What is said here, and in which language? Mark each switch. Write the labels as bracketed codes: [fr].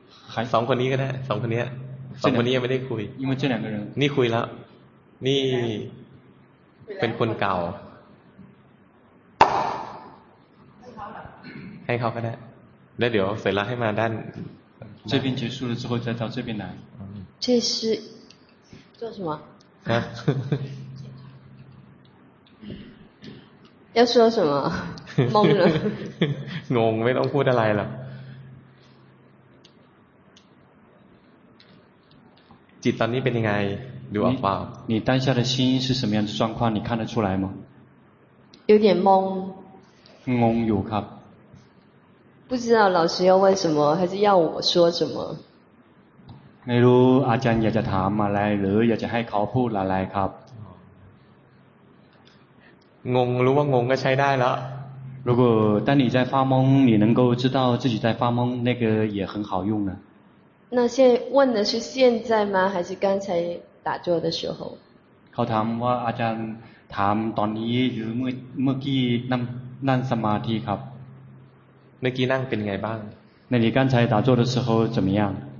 [th] ใคร สองคนนี้ก็ได้สองคนนี้ยังไม่ได้คุย ยังไม่เจอหนังกันเลย นี่คุยแล้วนี่เป็นคนเก่าให้เขาก็ได้แล้วเดี๋ยวเสร็จแล้วให้มาด้าน [zh] 这边结束了之后再到这边来这是做什么啊要说什么？懵了。懵，没用，不得来了。 [th] จิตตอนนี้เป็นยังไงดูออกเปล่า [zh] 你当下的心是什么样的状况？你看得出来吗？有点懵。懵有 [th] ครับ。 [zh] 不知道老师要问什么，还是要我说什么？ [th] ไม่รู้อาจารย์อยากจะถามอะไรหรืออยากจะให้เขาพูดอะไรครับ งงรู้ว่างงก็ใช้ได้แล้ว [zh] 如果当你在发懵你能够知道自己在发懵那个也很好用的那现在问的是现在吗还是刚才打坐的时候 [th] เขาถามว่าอาจารย์ถามตอนนี้หรือเมื่อกี้นั่งสมาธิครับ เมื่อกี้นั่งเป็นไงบ้าง [zh] 那你刚才打坐的时候怎么样